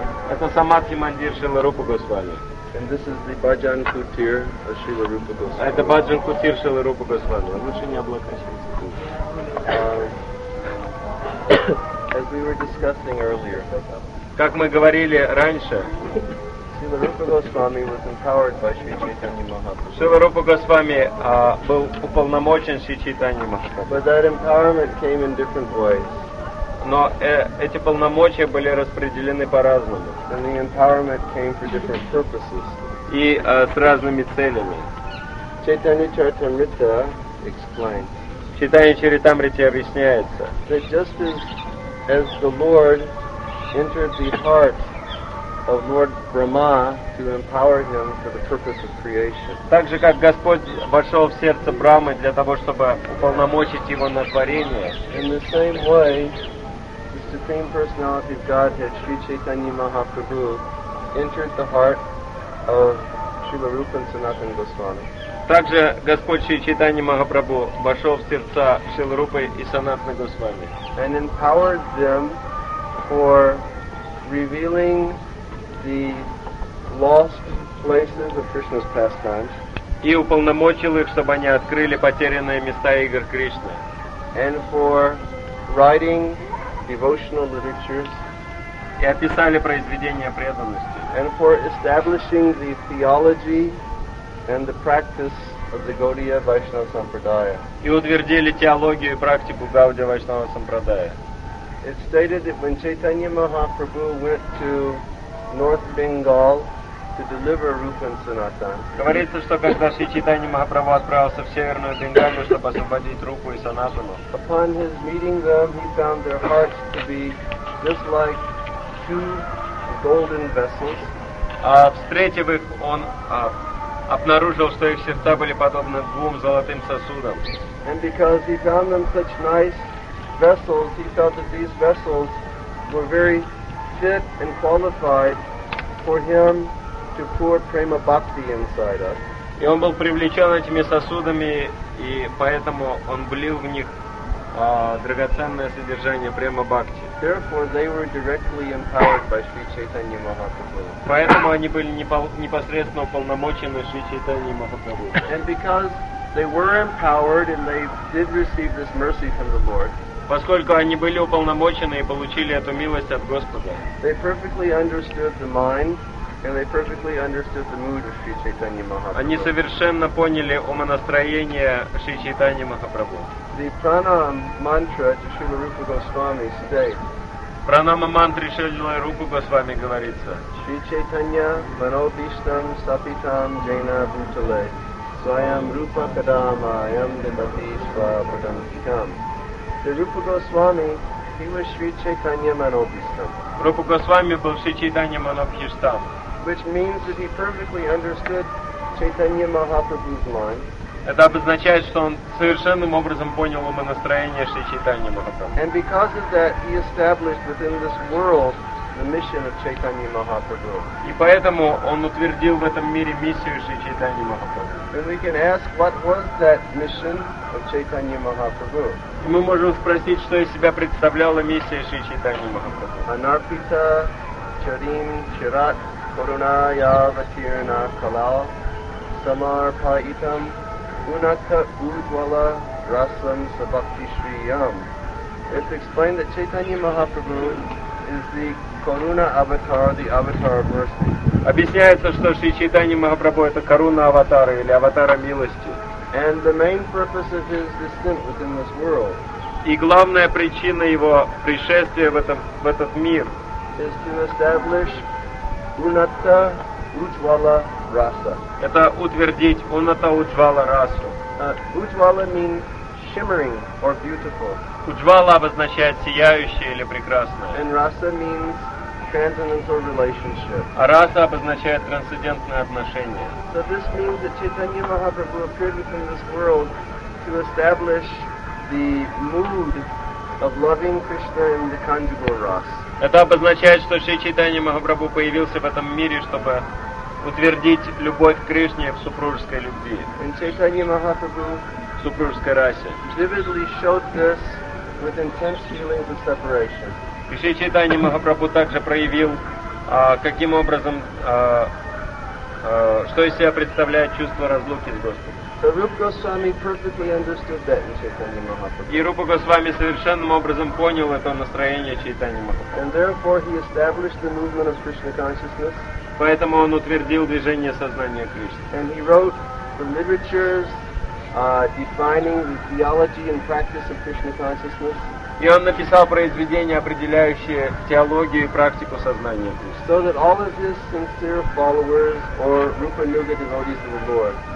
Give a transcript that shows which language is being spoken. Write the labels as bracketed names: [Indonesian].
[Russian] Это Самадхи Мандир Шрила Рупа Госвами. [English] And this is the Bhajan Kutir of Srila Rupa Goswami. [Russian] Это Bhajan Kutir Srila Rupa Goswami. Лучше не облокачивайся. [English] As we were discussing earlier. [Russian] Как мы говорили раньше. [English] Srila Rupa Goswami was empowered by Sri Chaitanya Mahaprabhu. [Russian] Srila Rupa Goswami был уполномочен Sri Chaitanya Mahaprabhu. [English] But that empowerment came in different ways. [Russian] Но эти полномочия были распределены по-разному. [English] And the empowerment came for different purposes. [Russian] И с разными целями. [English] Chaitanya Charitamrita explains. [Russian] Chaitanya Charitamrita объясняется. [English] That just as the Lord entered the heart of Lord Brahma to empower him for the purpose of creation. [Russian] Так же, как Господь вошел в сердце Брамы для того, чтобы уполномочить его на творение. [English] In the same way, the Supreme Personality of Godhead, Sri Chaitanya Mahaprabhu, entered the heart of Srila Rupa and Sanatana Goswami. [Russian] Также Господь Шри Чайтанья Махапрабху вошел в сердца Шрилы Рупы и Санатаны Госвами. [English] And empowered them for revealing the lost places of Krishna's pastimes. [Russian] И уполномочил их, чтобы они открыли потерянные места игр Кришны. [English] And for writing devotional literatures, [Russian] и описали произведения преданности, [English] and for establishing the theology and the practice of the Gaudiya Vaishnava Sampradaya, [Russian] и утвердили теологию и практику Gaudiya Vaishnava Sampradaya. [English] It stated that when Chaitanya Mahaprabhu went to North Bengal to deliver Rupa and Sanatan, [Russian] говорится, что когда Шри Чайтанья Махапрабху отправился в Северную Бенгалию, чтобы освободить Рупу и Санатану, [English] upon his meeting them, he found their hearts to be just like two golden vessels. [Russian] Встретив их, он обнаружил, что их сердца были подобны двум золотым сосудам. [English] And because he found them such nice vessels, he felt that these vessels were very fit and qualified for him to pour prema bhakti inside us. [Russian] И он был привлечен этими сосудами, и поэтому он влил в них драгоценное содержание према бхакти. [English] Therefore, they were directly empowered by Sri Chaitanya Mahaprabhu. [Russian] Поэтому они были непосредственно уполномочены Шри Чайтанья Махапрабху. [English] And because they were empowered and they did receive this mercy from the Lord. [Russian] Поскольку они были уполномочены и получили эту милость от Господа. [English] They perfectly understood the mind. And they perfectly understood the mood of Sri Chaitanya Mahaprabhu. [Russian] Они совершенно поняли умонастроение Шри Чайтаньи Махапрабху. [English] The pranam mantra to Srila Rupa Goswami states. [Russian] Пранама мантра Шрила Рупа Госвами говорится. [Sanskrit] Sri Chaitanya Manobhishtam Sapitam Jaina Bhutale Swayam Rupa Kadama Yam Dibati Swapadam Kikam. [English] The Rupa Goswami, he was Sri Chaitanya Manobhishtam. [Russian] Rupa Goswami был Шри Чайтанья Манобхиштам. [English] Which means that he perfectly understood Chaitanya Mahaprabhu's mind. [Russian] Это обозначает, что он совершенным образом понял умонастроение Шри Чайтаньи Махапрабху. [English] And because of that, he established within this world the mission of Chaitanya Mahaprabhu. [Russian] И поэтому он утвердил в этом мире миссию Шри Чайтаньи Махапрабху. [English] And we can ask, what was that mission of Chaitanya Mahaprabhu? [Russian] И мы можем спросить, что из себя представляла миссия Шри Чайтаньи Махапрабху. [Sanskrit] Анарпита, Чарим, Чират. Karuna ya vatirna kalal samar paitam unaka udwala rasam sabakti shriyam. [English] It's explained that Chaitanya Mahaprabhu is the Karuna avatar, the avatar of mercy. [Russian] Объясняется, что Шри Чайтанья Махапрабху это Karuna avatar или avatar милости. [English] And the main purpose of his descent within this world. [Russian] И главная причина его пришествия в этот мир. [English] Is to establish Унатта Уджвала Раса. [Russian] Это утвердить Унатта Уджвала Расу. [English] Уджвала means shimmering or beautiful. [Russian] Уджвала обозначает сияющее или прекрасное. [English] And Раса means transcendental relationship. [Russian] А Раса обозначает трансцендентное отношение. [English] So this means that Chaitanya Mahaprabhu appeared within this world to establish the mood of loving Krishna in the conjugal Rasa. [Russian] Это обозначает, что Шри Чайтанья Махапрабху появился в этом мире, чтобы утвердить любовь к Кришне в супружеской любви. [English] And Chaitanya Mahaprabhu [Russian] в супружеской расе. [English] Vividly showed this with intense feelings of separation. [Russian] И Шри Чайтанья Махапрабху также проявил, каким образом, что из себя представляет чувство разлуки с Господом. [English] So Rupa Goswami perfectly understood that in Chaitanya Mahaprabhu. [Russian] И Рупа Госвами совершенным образом понял это настроение Чайтаньи Махапрабху. [English] And therefore he established the movement of Krishna consciousness. [Russian] Поэтому он утвердил движение сознания Кришны. [English] And he wrote the literatures defining the theology and practice of Krishna consciousness. [Russian] И он написал произведения, определяющие теологию и практику сознания Кришны. [English] So that all of his sincere followers or Rupa Yuga devotees of the Lord.